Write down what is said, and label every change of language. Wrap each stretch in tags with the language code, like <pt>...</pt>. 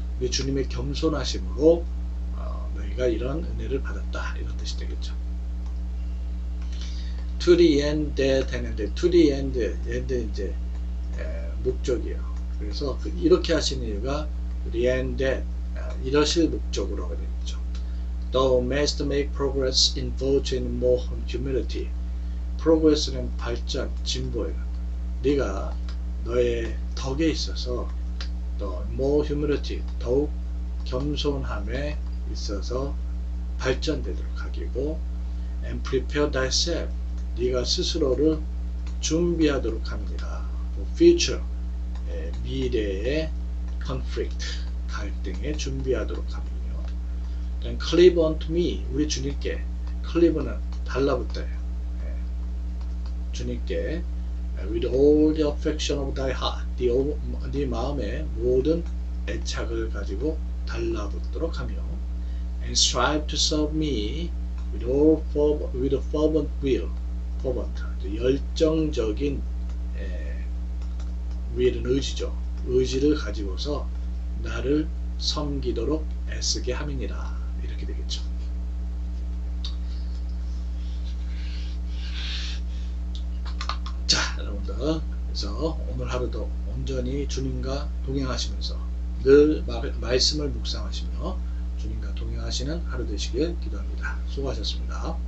<ko>주님의 겸손하심으로 너희가 이런 은혜를 받았다 이런 뜻이 되겠죠.</ko> <en>To the end that</en> <ko>했는데 to the end, end는 이제 목적이에요. 그래서 이렇게 하신 이유가</ko> <en>the end that</en> <ko>이러실 목적으로 그랬죠.</ko> <en>Thou mayest make progress in virtue and more humility.</en> <ko>Progress는 발전, 진보예요. 네가 너의 덕에 있어서 더</ko> <en>more humility,</en> <ko>더욱 겸손함에 있어서 발전되도록 하기고</ko> <en>and prepare thyself,</en> <ko>네가 스스로를 준비하도록 합니다. Future, 미래의 conflict, 갈등에 준비하도록 하군요.</ko> <en>Then cleave unto me,</en> <ko>우리 주님께, cleave는 달라붙다예요. 주님께</ko> <en>with all the affection of thy heart,</en> <ko>네 마음의 모든 애착을 가지고 달라붙도록 하며</ko> <en>and strive to serve me with all with a fervent will, fervent,</en> <ko>열정적인</ko> <en>will은</en> <ko>의지죠. 의지를 가지고서 나를 섬기도록 애쓰게 함이니라. 이렇게 되겠죠. 자, 여러분들. 그래서 오늘 하루도 온전히 주님과 동행하시면서 늘 말씀을 묵상하시며 주님과 동행하시는 하루 되시길 기도합니다. 수고하셨습니다.</ko>